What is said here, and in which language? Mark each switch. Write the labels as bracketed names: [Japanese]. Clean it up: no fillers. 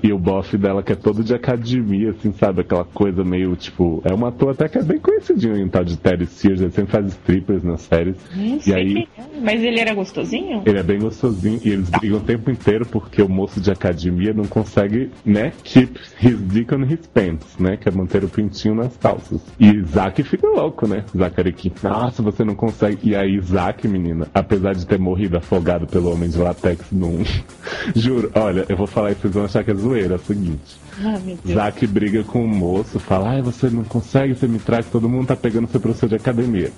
[Portuguese] E o bofe dela, que é todo de academia, assim, sabe? Aquela coisa meio, tipo... É uma ator até que é bem conhecidinho, em tal de Terry Sears. Ele sempre faz strippers nas séries. E aí, mas ele era gostosinho? Ele é bem gostosinho. E eles brigam o tempo inteiro porque o moço de academia não consegue, né? [English] Keep his dick on his pants, né? [Portuguese] Que é manter o pintinho nas calças. E Zack fica louco, né? Zachary King. Nossa, você não consegue. E aí, Zack, menina, apesar de ter morrido afogado pelo homem de latex num... Juro, olha, eu vou falar isso, vocês vão achar que é zoeira, é o seguinte. Zack briga com o moço, fala: ai, você não consegue, você me traz, todo mundo tá pegando seu professor de academia.